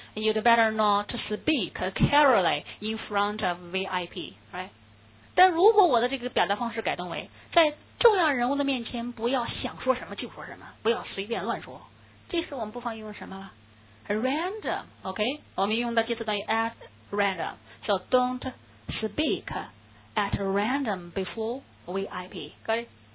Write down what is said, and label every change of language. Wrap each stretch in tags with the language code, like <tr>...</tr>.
<en>You'd better not speak carelessly in front of VIP, right?</en> <zh>但如果我的这个表达方式改动为在重要人物的面前不要想说什么就说什么，不要随便乱说，这时我们不妨用什么了？</zh> <en>Random, OK?</en> <zh>我们用的介词等于 at random.</zh> <en>So don't speak at random before VIP, got it?</en>